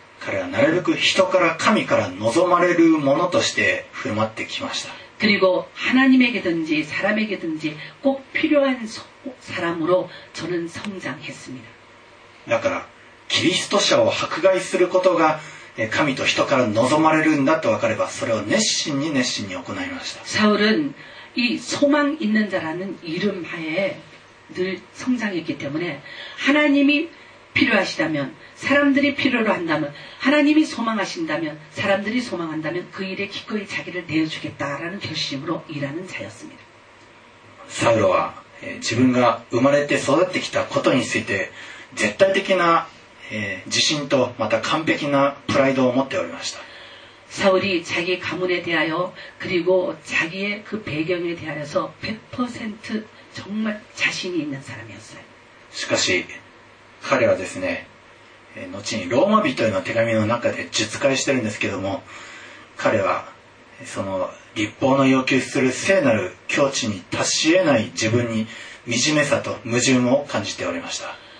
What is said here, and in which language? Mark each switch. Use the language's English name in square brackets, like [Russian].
[Japanese] 彼はなるべく人から神から望まれるものとして振る舞ってきました [Korean] 그리고하나님에게든지사람에게든지꼭필요한사람으로저는성장했습니다 [Japanese] だからキリスト者を迫害することが神と人から望まれるんだと分かればそれを熱心に熱心に行いました [Korean] 사울은이소망있는자라는이름하에늘성장했기때문에하나님이필요하시다면사람들이필요로한다면하나님이소망하신다면사람들이소망한다면그일에기꺼이자기를내어주겠다라는결심으로일하는자였습니다 사울은 [Japanese] 自分が生まれて育ってきたことについて絶対的な自信とまた完璧なプライドを持っておりました [Korean] 사울이자기가문에대하여그리고자기의그배경에대하여서 100% 정말자신이있는사람이었어요 [Japanese] しかし彼はですね後にローマ人への手紙の中で述懐してるんですけども彼はその律法の要求する聖なる境地に達し得ない自分に惨めさと矛盾を感じておりました